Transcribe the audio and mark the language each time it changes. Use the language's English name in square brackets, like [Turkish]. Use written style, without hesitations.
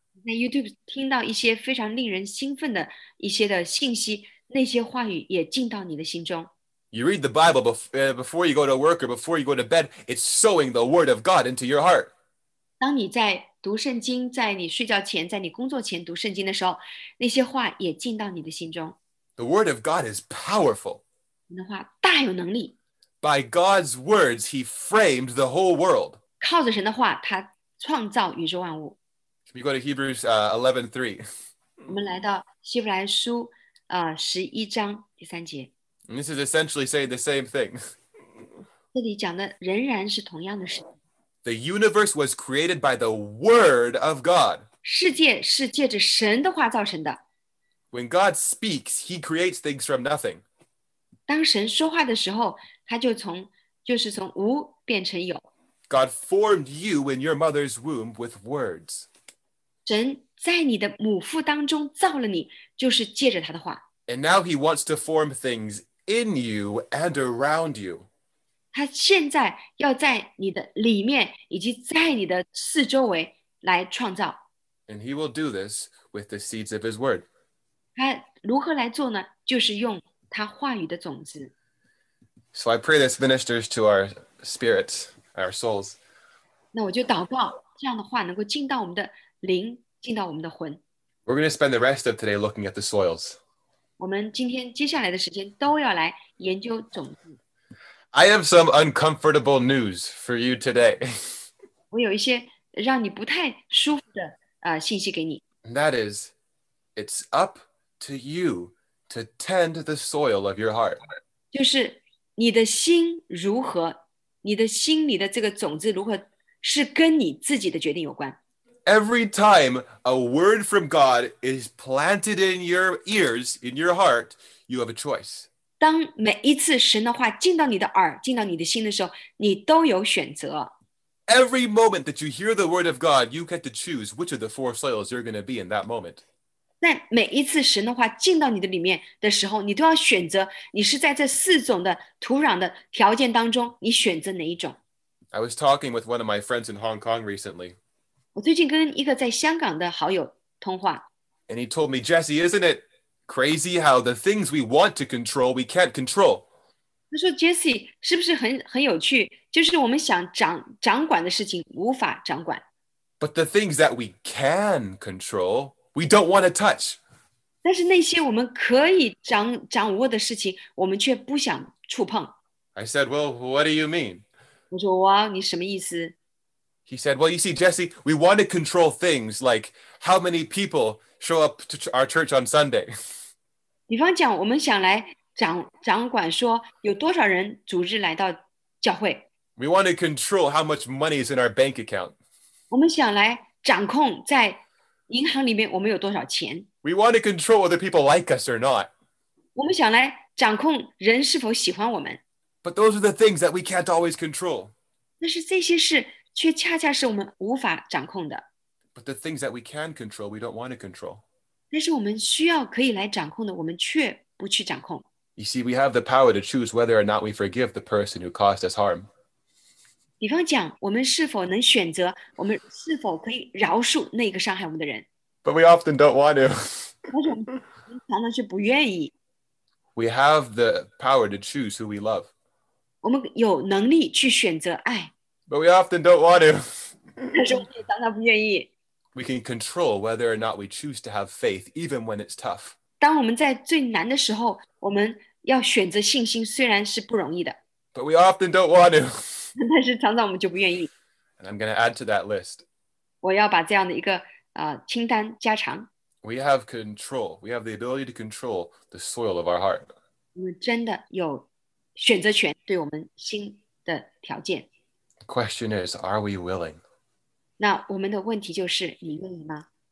[Chinese] 在 YouTube 听到一些非常令人兴奋的一些的信息，那些话语也进到你的心中。 [English] You read the Bible before you go to work or before you go to bed, it's sowing the word of God into your heart. [Chinese] 当你在读圣经，在你睡觉前，在你工作前读圣经的时候，那些话也进到你的心中。 [English] The word of God is powerful. [Chinese] 大有能力。 [English] By God's words, he framed the whole world. [Chinese] 靠着神的话，他创造宇宙万物。 [English] Can we go to Hebrews 11:3? [Chinese] 我们来到希伯来书11:3. [English] And this is essentially saying the same thing. [Chinese] 这里讲的仍然是同样的事。 [English] The universe was created by the word of God. [Chinese] 世界是借着神的话造成的。 [English] When God speaks, he creates things from nothing. [Chinese] 当神说话的时候，他就从就是从无变成有。 [English] God formed you in your mother's womb with words. [Chinese] 神在你的母腹当中造了你，就是借着他的话。 [English] And now he wants to form things in you and around you. [Chinese] 他现在要在你的里面以及在你的四周围来创造。 [English] And he will do this with the seeds of his word. [Chinese] 他如何来做呢？就是用他话语的种子。 [English] So I pray this ministers to our spirits, our souls. [Chinese] 那我就祷告，这样的话能够进到我们的灵，进到我们的魂。 [English] We're going to spend the rest of today looking at the soils. [Chinese] 我们今天接下来的时间都要来研究种子。 [English] I have some uncomfortable news for you today. [Chinese] 我有一些让你不太舒服的信息给你。 [English] That is, it's up to you to tend the soil of your heart. [Chinese] 就是你的心如何，你的心里的这个种子如何，是跟你自己的决定有关。 [English] Every time a word from God is planted in your ears, in your heart, you have a choice. [Chinese] 当每一次神的话进到你的耳，进到你的心的时候，你都有选择。 [English] Every moment that you hear the word of God, you get to choose which of the four soils you're going to be in that moment. [Chinese] 在每一次神的话进到你的里面的时候，你都要选择你是在这四种的土壤的条件当中，你选择哪一种。 [English] I was talking with one of my friends in Hong Kong recently. [Chinese] 我最近跟一个在香港的好友通话。 [English] And he told me, Jesse, isn't it crazy how the things we want to control, we can't control? [Chinese] 他说 Jesse, 是不是 很有趣，就是我们想 掌管的事情无法掌管。 [English] But the things that we can control... We don't want to touch. [Chinese] 但是那些我们可以掌握的事情，我们却不想触碰。 [English] I said, well, what do you mean? [Chinese] 我说，哇，你什么意思？ [English] He said, well, you see, Jesse, we want to control things like how many people show up to our church on Sunday. [Chinese] 比方讲，我们想来掌管说有多少人主日来到教会。 [English] We want to control how much money is in our bank account. [Chinese] 我们想来掌控在银行里面我们有多少钱。 [English] We want to control whether people like us or not. [Chinese] 我们想来掌控人是否喜欢我们。 [English] But those are the things that we can't always control. [Chinese] 但是这些事却恰恰是我们无法掌控的。 [English] But the things that we can control, we don't want to control. [Chinese] 但是我们需要可以来掌控的，我们却不去掌控。 [English] You see, we have the power to choose whether or not we forgive the person who caused us harm. [Chinese] 比方讲，我们是否能选择，我们是否可以饶恕那个伤害我们的人 [English] ？But we often don't want to. [Chinese] 但是我们常常是不愿意。 [English] We have the power to choose who we love. [Chinese] 我们有能力去选择爱。 [English] But we often don't want to. [Chinese] 但是我们常常不愿意。 [English] We can control whether or not we choose to have faith, even when it's tough. [Chinese] 当我们在最难的时候，我们要选择信心，虽然是不容易的。 [English] But we often don't want to. [Chinese] 但是常常我们就不愿意。 [English] And I'm going to add to that list. [Chinese] 我要把这样的一个清单加长。 [English] We have control. We have the ability to control the soil of our heart. [Chinese] 我们真的有选择权对我们心的条件。 [English] The question is, are we willing? [Chinese] 那我们的问题就是，你愿意吗？